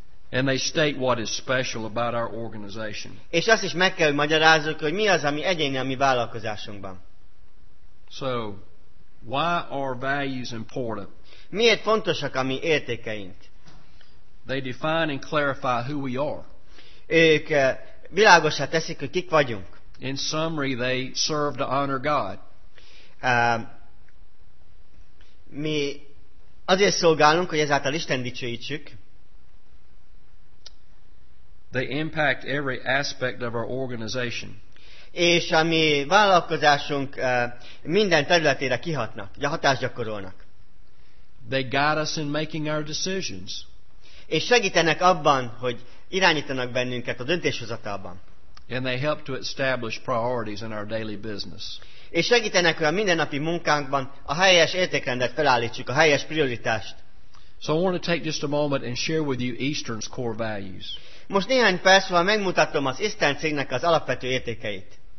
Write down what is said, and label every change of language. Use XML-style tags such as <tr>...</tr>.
<en>And they state what is special about our organization.</en> <hu>És azt is meg kell, hogy magyarázzuk, hogy mi az, ami egyéni a mi vállalkozásunkban.</hu> <en>So, why are values important?</en> <hu>Miért fontosak a mi értékeink?</hu> <en>They define and clarify who we are.</en> <hu>Ők világossá teszik, hogy kik vagyunk.</hu> <en>In summary, they serve to honor God.</en> <hu>Mi azért szolgálunk, hogy ezáltal Isten dicsőítsük.</hu> <en>They impact every aspect of our organization.</en> <hu>És a mi vállalkozásunk minden területére kihatnak, ugye hatást gyakorolnak.</hu> <en>They guide us in making our decisions.</en> <hu>És segítenek abban, hogy irányítanak bennünket a döntéshozatalban.</hu> <en>And they help to establish priorities in our daily business.</en> <hu>És segítenek, hogy a mindennapi munkánkban a helyes értékrendet felállítsuk, a helyes prioritást.</hu> <en>So I want to take just a moment and share with you Eastern's core values.</en> <hu>Most néhány perc múlva megmutatom az Eastern cégnek az alapvető értékeit.</hu>